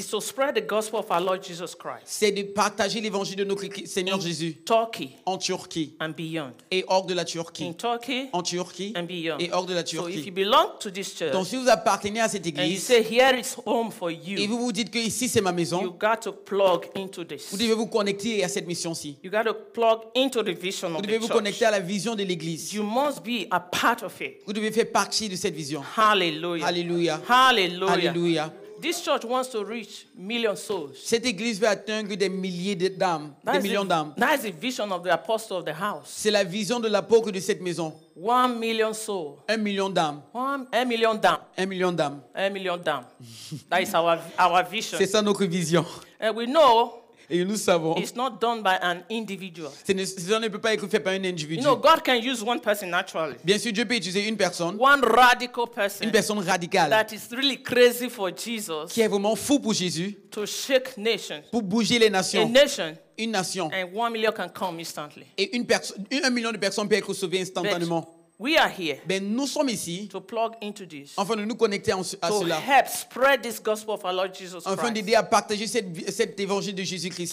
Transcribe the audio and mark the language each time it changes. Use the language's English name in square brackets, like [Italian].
[English] Is to spread the gospel of our Lord Jesus Christ. [French] C'est de partager l'évangile de notre Seigneur [English] in [French] Jésus. [English] Turkey. [French] En Turquie. [English] And beyond. [French] Et hors de la Turquie. [English] In Turkey. [French] En Turquie. [English] And beyond. [French] Et hors de la Turquie. [English] So if you belong to this church. [French] Donc si vous appartenez à cette église. [English] And you say here is home for you. [French] Et vous vous dites que ici c'est ma maison. [English] You got to plug into this. [French] Vous devez vous connecter à cette mission-ci. [English] You got to plug into the vision [French] vous devez [English] of [French] vous [English] church. [French] Connecter à la vision de l'église. [English] You must be a part of it. [French] Vous devez faire partie de cette vision. [English] Hallelujah. [French] Hallelujah. [English] Hallelujah. [French] Hallelujah. [English] This church wants to reach million souls. [French] Cette église veut atteindre des milliers de dames, des millions d'âmes. [English] That is the vision of the apostle of the house. [French] C'est la vision de l'apôtre de cette maison. [English] 1 million souls. [French] 1 million d'âmes. Un million d'âmes. [English] That is our vision. [French] C'est ça notre vision. [English] And we know. [French] Et nous savons. [English] It's not done by an individual. [French] Ça ne peut pas être fait par un individu. [English] You know, God can use one person naturally. [French] Bien sûr, Dieu peut utiliser une personne. [English] One radical person. [French] Une personne radicale. [English] That is really crazy for Jesus. [French] Qui est vraiment fou pour Jésus. [English] To shake nations. [French] Pour bouger les nations. [English] A nation. [French] Une nation. [English] And 1 million can come instantly. [French] Et un million de personnes peut être sauvées instantanément. [English] But we are here. [French] Ben nous sommes ici. [English] To plug into this. [French] Afin de nous connecter à [English] to [French] cela. [English] To help spread this gospel of our Lord Jesus Christ. [French] Afin d'aider à partager cet évangile de Jésus-Christ.